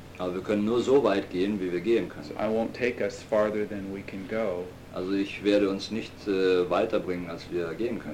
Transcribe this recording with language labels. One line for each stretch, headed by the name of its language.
German: Aber wir können nur so weit gehen, wie wir gehen können.
English: So I won't take us farther than we can go.
German: Also ich werde uns nicht weiterbringen, als wir gehen können.